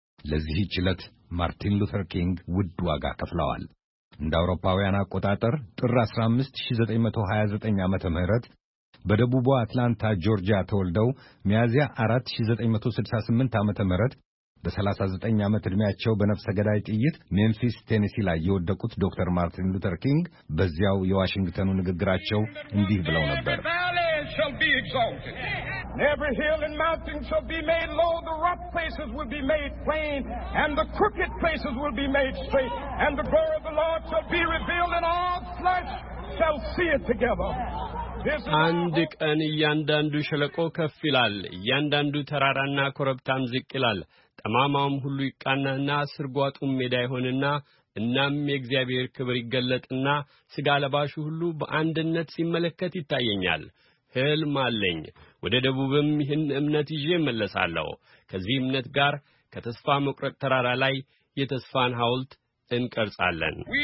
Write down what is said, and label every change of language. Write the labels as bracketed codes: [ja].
[am] ለዚህ ይችላል ማርቲን ሉተር ኪንግ ውድ ዋጋ ከፍለዋል። እንደ አውሮፓውያን አቆጣጠር ጥር 15 1929 ዓመተ ምህረት በደቡብ አትላንታ ጆርጂያ ተወልደው ሚያዚያ 4 1968 ዓመተ ምህረት በ39 ዓመት ዕድሜያቸው በነፍሰ ገዳይ ጥይት ሜምፊስ ቴኔሲ ላይ የወደቁት ዶክተር ማርቲን ሉተር ኪንግ በዚያው የዋሽንግተኑ ንግግራቸው እንዲህ ብለው ነበር። [en] Shall be exalted. Every hill and mountain shall be made low. The rough places will be made plain, and the crooked places will be made straight. And the glory of the Lord shall be revealed, and all flesh shall see it together. [am] አንድ ቀን እያንዳንዱ ሸለቆ ከፍ ይላል፣ እያንዳንዱ ተራራና ኮረብታም ዝቅ ይላል፣ ጠማማውም ሁሉ ይቃናና ስርጓጡም ሜዳ ይሆንና እናም የእግዚአብሔር ክብር ይገለጥና ሥጋ ለባሹ ሁሉ በአንድነት ሲመለከት ይታየኛል። ህልም አለኝ። ወደ ደቡብም ይህን እምነት ይዤ መለሳለሁ። ከዚህ እምነት ጋር ከተስፋ መቁረጥ ተራራ ላይ የተስፋን ሐውልት እንቀርጻለን።